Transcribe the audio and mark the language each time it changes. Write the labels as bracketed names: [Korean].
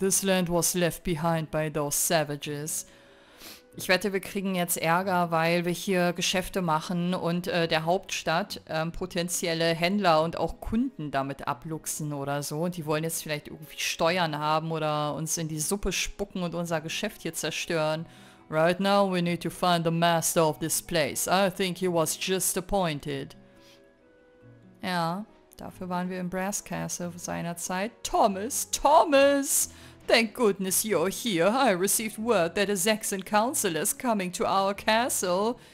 [English] This land was left behind by those savages. [German] Ich wette, wir kriegen jetzt Ärger, weil wir hier Geschäfte machen und der Hauptstadt potenzielle Händler und auch Kunden damit abluchsen oder so. Und die wollen jetzt vielleicht irgendwie Steuern haben oder uns in die Suppe spucken und unser Geschäft hier zerstören. [English] Right now we need to find the master of this place. I think he was just appointed. [German] Ja, dafür waren wir im Brass Castle seinerzeit. [English] Thomas, Thomas! Thank goodness you're here. I received word that a Saxon council is coming to our castle.